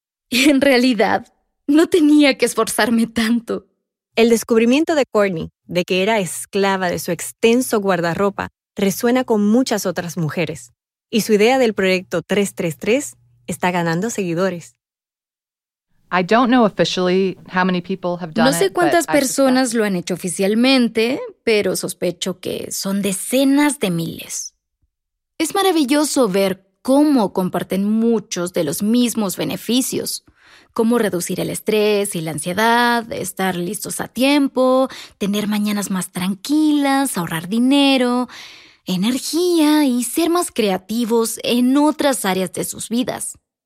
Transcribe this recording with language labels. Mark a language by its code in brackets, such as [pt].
[es] Y en realidad, no tenía que esforzarme tanto. El descubrimiento de Courtney de que era esclava de su extenso guardarropa resuena con muchas otras mujeres. Y su idea del proyecto 333 está ganando seguidores. [en] I don't know officially how many people have done it. [es] No sé cuántas personas lo han hecho oficialmente, pero sospecho que son decenas de miles. Es maravilloso ver cómo comparten muchos de los mismos beneficios, como reducir el estrés y la ansiedad, estar listos a tiempo, tener mañanas más tranquilas, ahorrar dinero, energía y ser más creativos en otras áreas de sus vidas.